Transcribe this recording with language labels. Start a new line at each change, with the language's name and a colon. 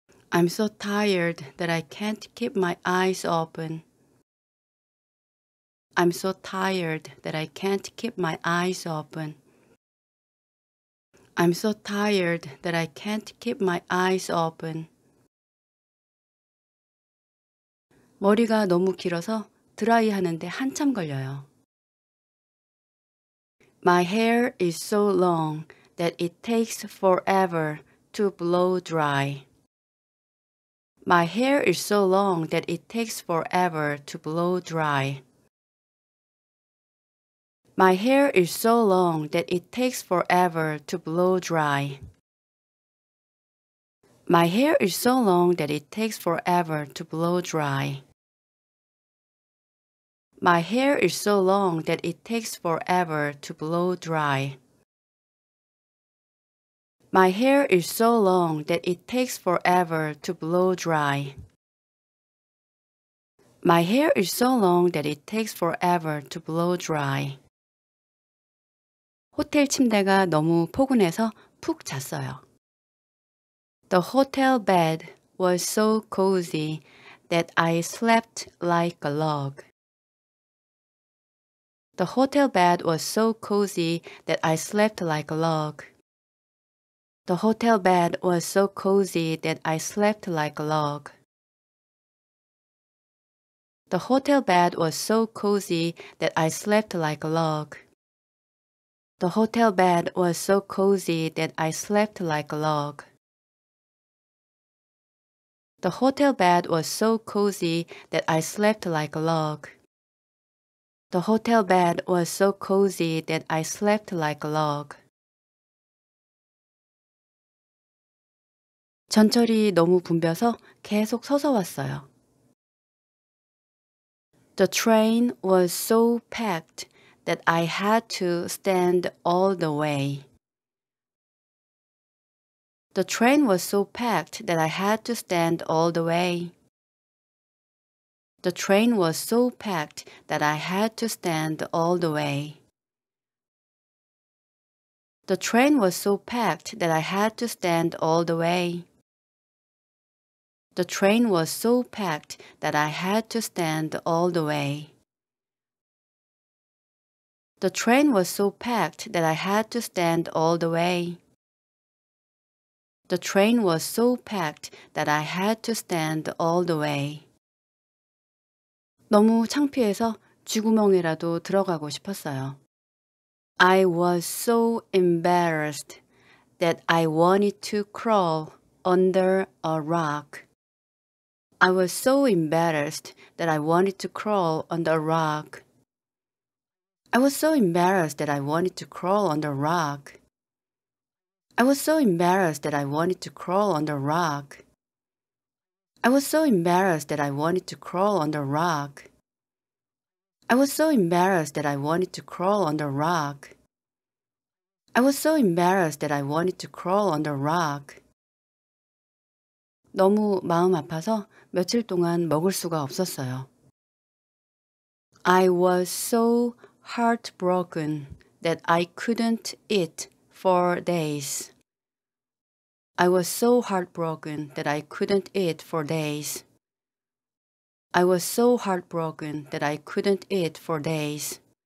English: I'm so tired that I can't keep my eyes open. I'm so tired that I can't keep my eyes open. I'm so tired that I can't keep my eyes open.
Korean: 머리가 너무 길어서 드라이하는데 한참 걸려요.
English: My hair is so long that it takes forever to blow dry. My hair is so long that it takes forever to blow dry. My hair is so long that it takes forever to blow dry. My hair is so long that it takes forever to blow dry. My hair is so long that it takes forever to blow dry. My hair is so long that it takes forever to blow dry. My hair is so long that it takes forever to blow dry.
Korean: 호텔 침대가 너무 포근해서 푹 잤어요.
English: The hotel bed was so cozy that I slept like a log. The hotel bed was so cozy that I slept like a log. The hotel bed was so cozy that I slept like a log. The hotel bed was so cozy that I slept like a log. The hotel bed was so cozy that I slept like a log. The hotel bed was so cozy that I slept like a log. The hotel bed was so cozy that I slept like a log.
Korean: 전철이 너무 붐벼서 계속 서서 왔어요.
English: The train was so packed that I had to stand all the way. The train was so packed that I had to stand all the way. The train was so packed that I had to stand all the way. The train was so packed that I had to stand all the way. The train was so packed that I had to stand all the way. The train was so packed that I had to stand all the way. The train was so packed that I had to stand all the way.
Korean: 너무 창피해서 쥐구멍이라도 들어가고 싶었어요.
English: I was so embarrassed that I wanted to crawl under a rock. I was so embarrassed that I wanted to crawl under a rock. I was so embarrassed that I wanted to crawl under a rock. I was so embarrassed that I wanted to crawl under a rock. I was so embarrassed that I wanted to crawl under a rock. I was so embarrassed that I wanted to crawl under a rock. I was so embarrassed that I wanted to crawl under a rock.
Korean: 너무 마음 아파서 며칠 동안 먹을 수가 없었어요.
English: I was so heartbroken that I couldn't eat for days. I was so heartbroken that I couldn't eat for days. I was so heartbroken that I couldn't eat for days.